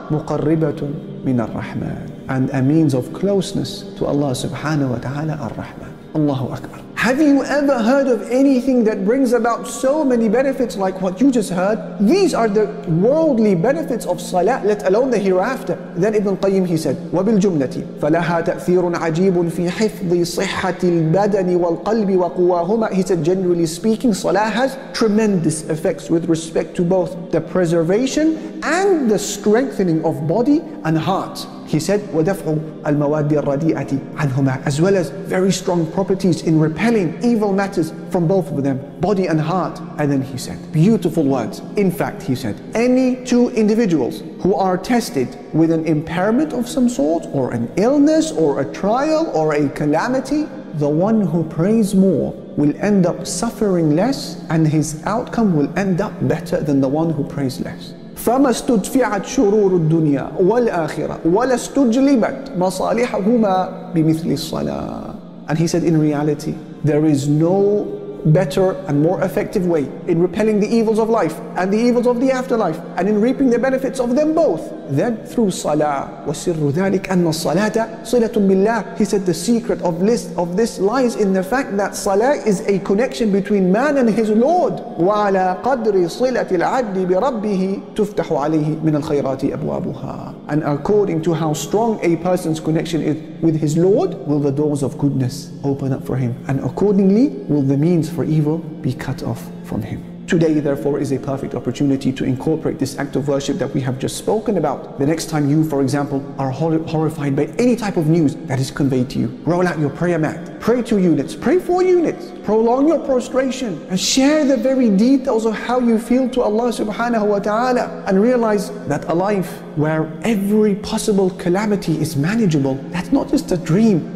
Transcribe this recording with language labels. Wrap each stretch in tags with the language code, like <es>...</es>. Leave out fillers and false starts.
<ar>مُقَرِّبَةٌ مِنَ الرَّحْمَنِ.</ar> <en>And a means of closeness to Allah subhanahu wa ta'ala, ar-Rahman. Allahu Akbar. Have you ever heard of anything that brings about so many benefits like what you just heard? These are the worldly benefits of salah, let alone the hereafter. Then Ibn Qayyim, he said,</en> <ar>وَبِالْجُمْلَةِ فَلَهَا تَأْثِيرٌ عَجِيبٌ فِي حِفْظِ صِحَّةِ الْبَدَنِ وَالْقَلْبِ وَقُوَاهُمَا.</ar> <en>He said, generally speaking, salah has tremendous effects with respect to both the preservation and the strengthening of body and heart. He said,</en> <ar>وَدَفْعُ الْمَوَادِ الرَّدِيئَةِ عَنْهُمَا.</ar> <en>As well as very strong properties in repelling evil matters from both of them, body and heart. And then he said, beautiful words. In fact, he said, any two individuals who are tested with an impairment of some sort, or an illness, or a trial, or a calamity, the one who prays more will end up suffering less, and his outcome will end up better than the one who prays less.</en> <ar>فما استدفعت شرور الدنيا والآخرة ولا استجلبت مصالحهما بمثل الصلاة.</ar> <en>And he said, in reality, there is no better and more effective way in repelling the evils of life and the evils of the afterlife and in reaping the benefits of them both than through salah.</en> <ar>وسر ذلك أن الصلاة صلة بالله.</ar> <en>He said the secret of this lies in the fact that salah is a connection between man and his Lord.</en> <ar>وعلى قدر صلة العبد بربه تفتح عليه من الخيرات أبوابها.</ar> <en>And according to how strong a person's connection is with his Lord, will the doors of goodness open up for him, and accordingly will the means for evil be cut off from him. Today, therefore, is a perfect opportunity to incorporate this act of worship that we have just spoken about. The next time you, for example, are horrified by any type of news that is conveyed to you, roll out your prayer mat, pray 2 units, pray 4 units, prolong your prostration, and share the very details of how you feel to Allah subhanahu wa ta'ala, and realize that a life where every possible calamity is manageable, that's not just a dream.</en>